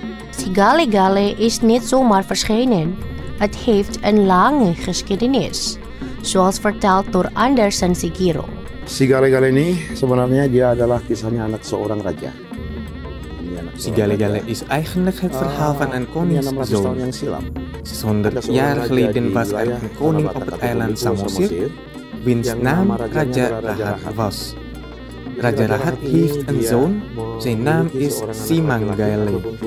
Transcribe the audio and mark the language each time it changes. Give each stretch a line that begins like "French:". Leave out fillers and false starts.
Dutch: Sigale-gale is niet zomaar verschenen. Het heeft een lange geschiedenis, zoals verteld door Anderson Sigiro.
Indonesian: Sigale-gale ini sebenarnya dia adalah kisahnya anak seorang raja.
Dutch: Sigale-gale is eigenlijk het verhaal van een koningszoon. 600 jaar geleden was er een koning op het eiland Samosir, wiens naam Raja Rahat was. Raja Rahat heeft een zoon, zijn naam is Simangale.